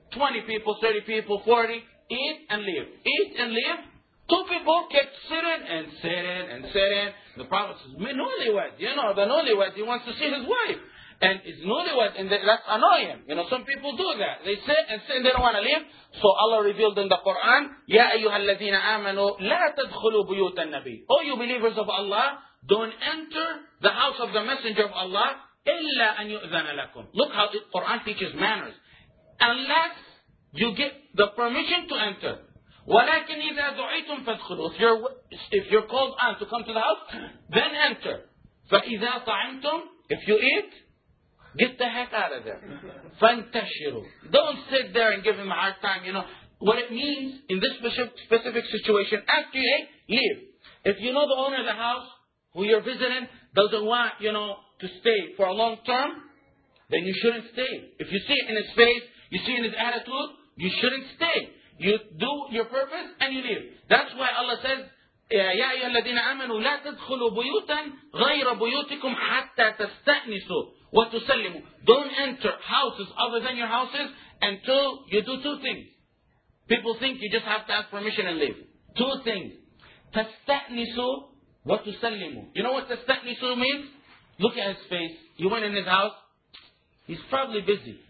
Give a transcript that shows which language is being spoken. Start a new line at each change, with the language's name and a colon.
English: 20 people, 30 people, 40, eat and leave. Eat and leave. Two people kept sitting and sitting and sitting. The Prophet says, me newlywed, you know, the newlywed, he wants to see his wife. And it's newlywed, and that's annoying. You know, some people do that. They sit and sit and they don't want to leave. So Allah revealed in the Quran,
Arabic: يَا أَيُّهَا الَّذِينَ آمَنُوا لَا تَدْخُلُوا بُيُوتَ النَّبِيِّ.
English: All you believers of Allah, don't enter the house of the Messenger of Allah,
Arabic: إِلَّا أَن يُؤْذَنَ لَكُمْ.
English: Look how the Quran teaches manners. Unless you get the permission to enter.
Arabic: وَلَكِنْ إِذَا دُعِيتُمْ فَادْخُلُوا.
English: If you're called on to come to the house, then enter.
Arabic: فَإِذَا طَعِمْتُمْ.
English: If you eat, get the heck out of there.
Arabic: فَانْتَشِرُوا.
English: Don't sit there and give him a hard time, you know. What it means in this specific situation, after you eat, leave. If you know the owner of the house who you're visiting doesn't want, you know, to stay for a long term, then you shouldn't stay. If you see it in his face, you see it in his attitude, you shouldn't stay. You do your purpose and you leave. That's why Allah says,
Arabic: يَا أَيُّهَا الَّذِينَ آمَنُوا لَا تَدْخُلُوا بُيُوتًا غَيْرَ بُيُوتِكُمْ حَتَّى تَسْتَأْنِسُوا وَتُسَلِّمُوا.
English: Don't enter houses other than your houses until you do two things. People think you just have to ask permission and leave. Two things.
Arabic: تَسْتَأْنِسُوا وَتُسَلِّمُوا.
English: You know what تَسْتَأْنِسُوا means? Look at his face. You went in his house. He's probably busy.